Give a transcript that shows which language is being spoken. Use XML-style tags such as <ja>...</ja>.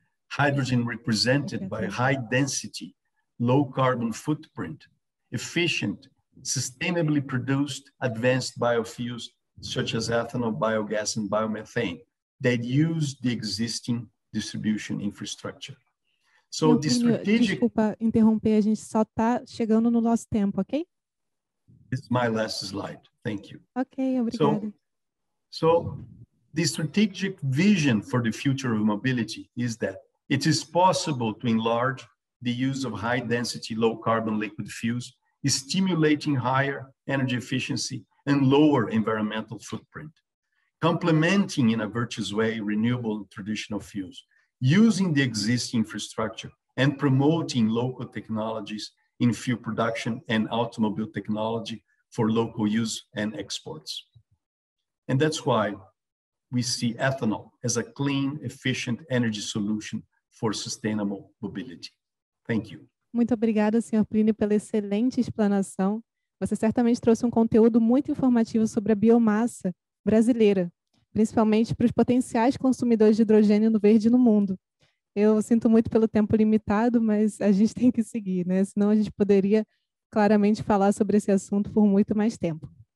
<en>Hydrogen represented by high density, low carbon footprint, efficient, sustainably produced advanced biofuels such as ethanol, biogas, and biomethane that use the existing distribution infrastructure. So the strategic...</en> <pt>Desculpa interromper, a gente só está chegando no nosso tempo, ok?</pt> <en>It's my last slide, thank you.</en> <pt>Ok, obrigada.</pt> <en>So the strategic vision for the future of mobility is that it is possible to enlarge the use of high density, low carbon liquid fuels stimulating higher energy efficiency and lower environmental footprint, complementing in a virtuous way renewable traditional fuels, using the existing infrastructure and promoting local technologies in fuel production and automobile technology for local use and exports. And that's why we see ethanol as a clean, efficient energy solution for sustainable mobility. Thank you.</en> <pt>Muito obrigada, Sr. Plínio, pela excelente explanação. Você certamente trouxe um conteúdo muito informativo sobre a biomassa brasileira, principalmente para os potenciais consumidores de hidrogênio verde no mundo. Eu sinto muito pelo tempo limitado, mas a gente tem que seguir, né? Senão a gente poderia claramente falar sobre esse assunto por muito mais tempo.</pt>